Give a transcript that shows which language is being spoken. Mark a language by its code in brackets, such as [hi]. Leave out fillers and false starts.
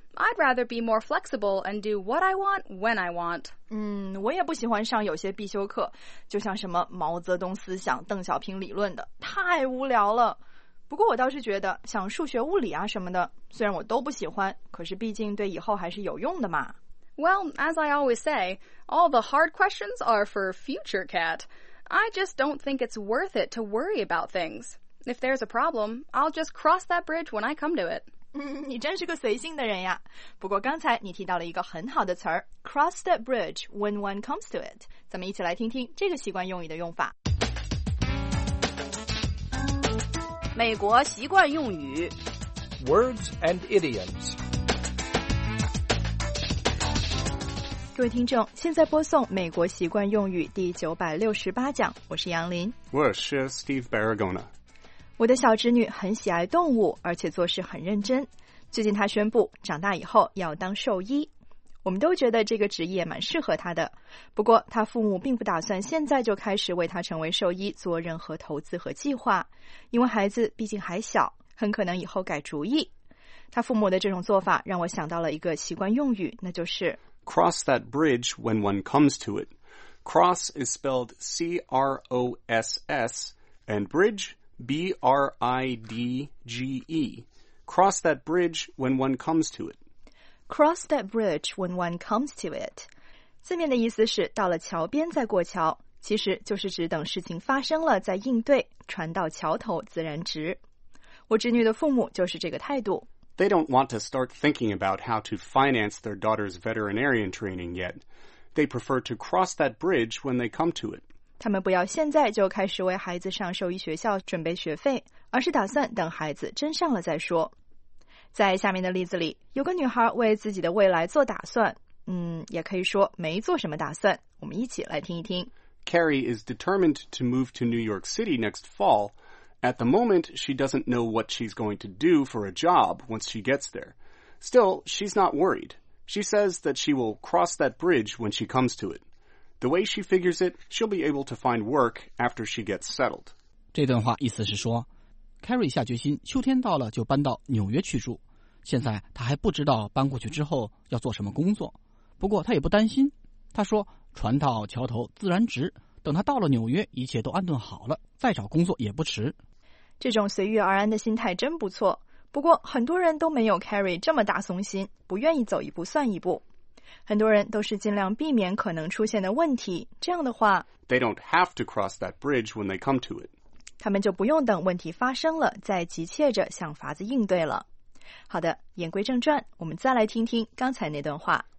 [en] I'd rather be more flexible and do what I want when I want. [zh] 我也不喜欢上有些必修课，就像什么毛泽东思想、邓小平理论的，太无聊了。不过我倒是觉得，像数学、物理啊什么的，虽然我都不喜欢，可是毕竟对以后还是有用的嘛。 [en] Well, as I always say, all the hard questions are for future Cat. I just don't think it's worth it to worry about things. If there's a problem, I'll just cross that bridge when I come to it. [zh] 你真是个随性的人呀。不过刚才你提到了一个很好的词儿 [en] cross that bridge when one comes to it. [zh] 咱们一起来听听这个习惯用语的用法。美国习惯用语 [en] Words and idioms. [zh] 各位听众，现在播送美国习惯用语第968讲，我是杨林。我是 Steve Barragona。我的小侄女很喜爱动物，而且做事很认真。最近她宣布长大以后要当兽医，我们都觉得这个职业蛮适合她的。不过她父母并不打算现在就开始为她成为兽医做任何投资和计划，因为孩子毕竟还小，很可能以后改主意。她父母的这种做法让我想到了一个习惯用语，那就是 [en] Cross that bridge when one comes to it. Cross is spelled C-R-O-S-S and bridge B-R-I-D-G-E. Cross that bridge when one comes to it. Cross that bridge when one comes to it. [zh] 字面的意思是到了桥边再过桥，其实就是指等事情发生了再应对，船到桥头自然直。我侄女的父母就是这个态度。 [en] They don't want to start thinking about how to finance their daughter's veterinarian training yet. They prefer to cross that bridge when they come to it. [zh] 他们不要现在就开始为孩子上兽医学校准备学费，而是打算等孩子真上了再说。在下面的例子里，有个女孩为自己的未来做打算，也可以说没做什么打算。我们一起来听一听。 [en] Carrie is determined to move to New York City next fall. At the moment, she doesn't know what she's going to do for a job once she gets there. Still, she's not worried. She says that she will cross that bridge when she comes to it. The way she figures it, she'll be able to find work after she gets settled. [zh] 这段话意思是说 ,Carrie 下决心秋天到了就搬到纽约去住。现在她还不知道搬过去之后要做什么工作。不过她也不担心。她说船到桥头自然直。等他到了纽约，一切都安顿好了，再找工作也不迟。这种随遇而安的心态真不错。不过很多人都没有 Carrie 这么大松心，不愿意走一步算一步。很多人都是尽量避免可能出现的问题，这样的话 [en] They don't have to cross that bridge when they come to it. [zh] 他们就不用等问题发生了再急切着想法子应对了。好的，言归正传，我们再来听听刚才那段话。